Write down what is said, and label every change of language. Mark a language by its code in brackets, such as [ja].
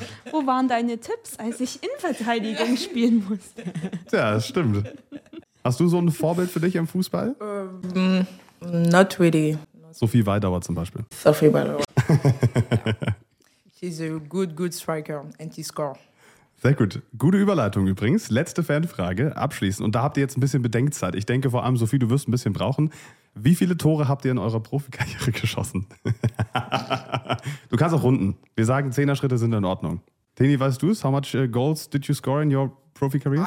[de] Wo waren deine Tipps, als ich Innenverteidigung spielen musste? Ja, das stimmt. Hast du so ein Vorbild für dich im Fußball? [en] Not really. [de] Sophie Weidauer zum Beispiel. Sophie Weidauer. [en] She's a good, good striker and she scores. [de] Sehr gut. Gute Überleitung übrigens. Letzte Fanfrage abschließend. Und da habt ihr jetzt ein bisschen Bedenkzeit. Ich denke vor allem, Sophie, du wirst ein bisschen brauchen. Wie viele Tore habt ihr in eurer Profikarriere geschossen? Du kannst auch runden. Wir sagen, 10er Schritte sind in Ordnung. Teni, weißt du es? [en] How much goals did you score in your Profikarriere?